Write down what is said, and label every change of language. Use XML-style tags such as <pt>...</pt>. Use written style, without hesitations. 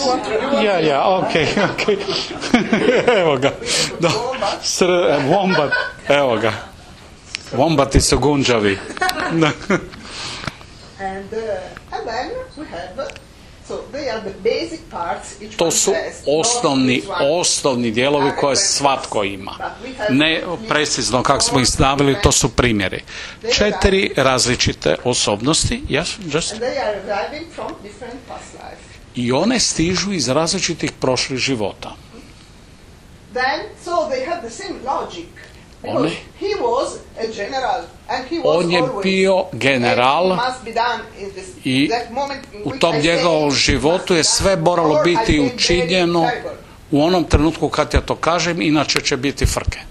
<en>You want to, you yeah, want yeah, yeah, ok, ok.</en> <hr>Evo ga.</hr> <en>Do,</en> <hr>wombat, evo ga. Wombati su gunđavi.</hr> <en>And, and then we have, so they are the basic parts.</en> <hr>To su osnovni dijelovi koje svatko ima. Ne precizno kako smo ih stavili, to su primjeri. Četiri različite osobnosti.</hr> <en>Yes, just. And they are arriving from different past life.</en> <hr>I one stižu iz različitih prošlih života.</hr> <en>Then, so they have the same logic. One, he was a general, and he was</en> <hr>on je bio general i u tom njegovom životu je sve moralo biti učinjeno u onom trenutku kad ja to kažem, inače će biti frke.</hr>